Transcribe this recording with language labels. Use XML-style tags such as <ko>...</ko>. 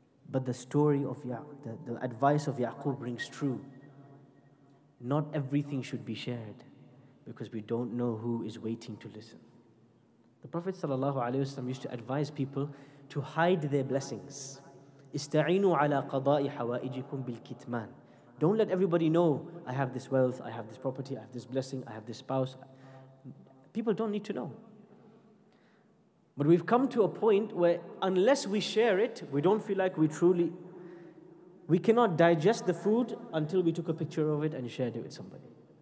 <en>But the story of the advice of Yaqub rings true. Not everything should be shared because we don't know who is waiting to listen. The Prophet ﷺ used to advise people to hide their blessings.</en> <ar>استعينوا على قضاء حوائجكم بالكتمان.</ar> <en>Don't let everybody know, I have this wealth, I have this property, I have this blessing, I have this spouse. People don't need to know. But we've come to a point where unless we share it, we don't feel like we cannot digest the food until we took a picture of it and shared it with somebody.</en>